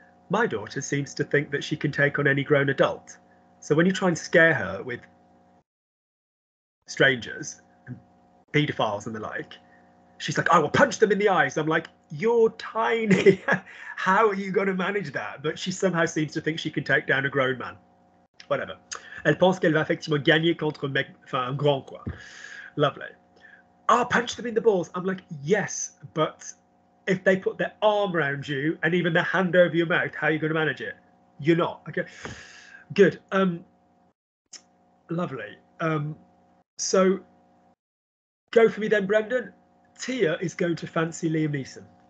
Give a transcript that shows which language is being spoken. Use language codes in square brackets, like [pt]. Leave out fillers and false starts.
[en] My daughter seems to think that she can take on any grown adult. So when you try and scare her with strangers, and paedophiles and the like, she's like, I will punch them in the eyes. I'm like, you're tiny. How are you going to manage that? But she somehow seems to think she can take down a grown man. Whatever. [fr] Elle pense qu'elle va effectivement gagner contre un grand quoi. [en] Lovely. I'll punch them in the balls. I'm like, yes, but if they put their arm around you and even their hand over your mouth, how are you going to manage it? You're not. Okay. Good. Lovely. So go for me then, Brendan. Tia is going to fancy Liam Neeson.